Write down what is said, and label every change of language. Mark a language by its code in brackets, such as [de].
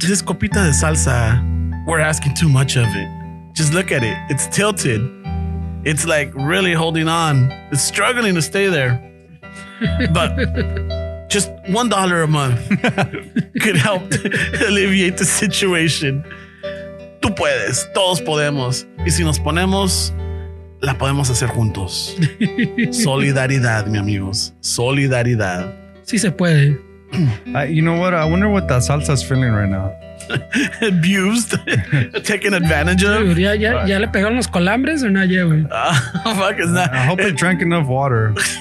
[en] This copita de salsa, we're asking too much of it. Just look at it. It's tilted. It's like really holding on. It's struggling to stay there. But just $1 a month could help alleviate the situation. [es] Tú puedes. Todos podemos. Y si nos ponemos, la podemos hacer juntos. Solidaridad, mi amigos. Solidaridad. Sí se puede. [en] You know what? I wonder what that salsa is feeling right now. Abused. Taken advantage of. [es] Dude, ya le pegaron los colambres o no, ya, güey. [en] Fuck is that? I hope they drank enough water.